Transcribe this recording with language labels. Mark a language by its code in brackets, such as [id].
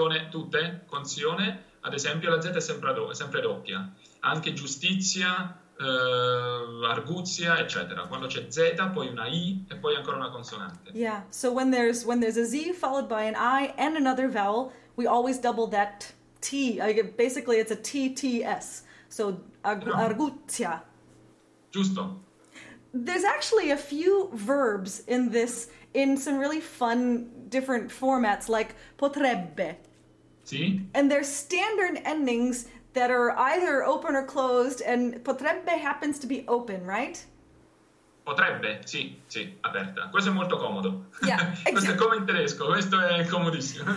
[it] tutte con zione, ad esempio la Z è sempre doppia, anche giustizia, arguzia, eccetera. Quando c'è Z, poi una I e poi ancora una consonante. [en] Yeah, so when there's a Z followed by an I and another vowel, we always double that T. Basically, it's a TTS. So arguzia. [it] Giusto. [en] There's actually a few verbs in this in some really fun different formats, like potrebbe. [it] Sì. [en] And they're standard endings that are either open or closed, and potrebbe happens to be open, right? [it] Potrebbe, sì, sì, aperta. Questo è molto comodo. [en] Yeah, [it] Questo è come in tedesco, questo è comodissimo.